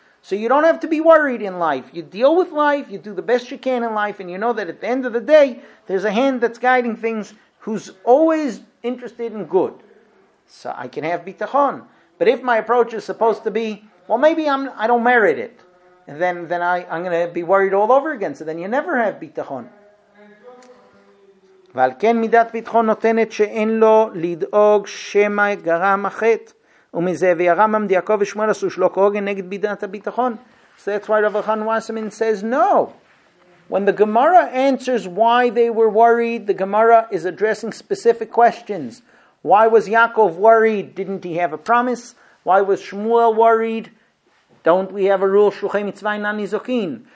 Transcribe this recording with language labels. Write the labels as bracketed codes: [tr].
[en] So you don't have to be worried in life. You deal with life, you do the best you can in life, and you know that at the end of the day, there's a hand that's guiding things who's always interested in good. So I can have bitachon. But if my approach is supposed to be, well, maybe I don't merit it, and then I'm going to be worried all over again. So then you never have bitachon. [he] ועל כן מידת ביטחון נותנת שאין לו לדאוג שמא גרם החטא. ומזה וירמם דיעקב ושמואל עשו שלא כהוגן נגד מידת הביטחון. [en] So that's why Rav Chanan Wasserman says no. When the Gemara answers why they were worried, the Gemara is addressing specific questions. Why was Yaakov worried? Didn't he have a promise? Why was Shmuel worried? Don't we have a rule? [he] Shluchei mitzvah inan nizokin.